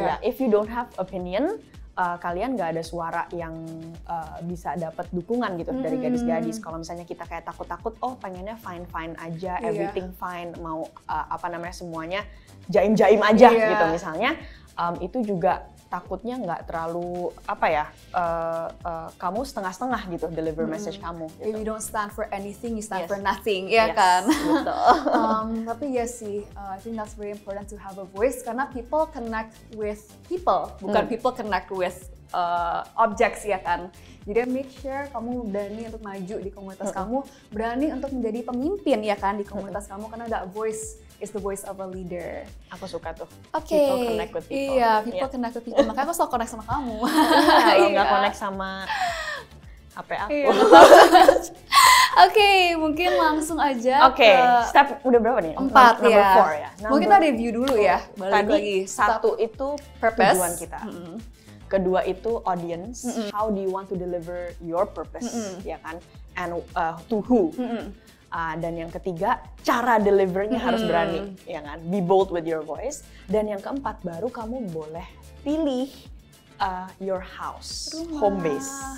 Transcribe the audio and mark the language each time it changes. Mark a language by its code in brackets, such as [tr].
[en] If you don't have opinion, [id] kalian nggak ada suara yang bisa dapat dukungan gitu dari gadis-gadis. Kalau misalnya kita kayak takut-takut, oh pengennya fine-fine aja, everything fine, mau apa namanya semuanya jaim-jaim aja gitu misalnya, itu juga takutnya nggak terlalu apa ya, kamu setengah-setengah gitu deliver message kamu gitu. [en] If you don't stand for anything, you stand for nothing, [id] ya kan? tapi ya sih, [en] I think that's very important to have a voice, karena people connect with people, bukan people connect with objects, ya kan? [id] Jadi make sure kamu berani untuk maju di komunitas kamu, berani untuk menjadi pemimpin, ya kan, di komunitas kamu, karena [en] that voice is the voice of a leader. [id] Aku suka tuh. [en] Okay. People connect with people. [id] Iya, [en] people connect with people. [id] Makanya aku selalu connect sama kamu. Enggak connect sama HP aku. Okay, mungkin langsung aja. Okay, ke step udah berapa nih? 4 ya. Number 4 ya. Mungkin kita review dulu ya. Balik tadi lagi. Satu itu purpose. Tujuan kita. Kedua itu audience, mm-hmm. [en] how do you want to deliver your purpose, mm-hmm. ya kan? And to who? Mm-hmm. [id] Dan yang ketiga, cara delivernya harus berani, ya kan? [en] Be bold with your voice. [id] Dan yang keempat, baru kamu boleh pilih your house, rumah. [en] Home base.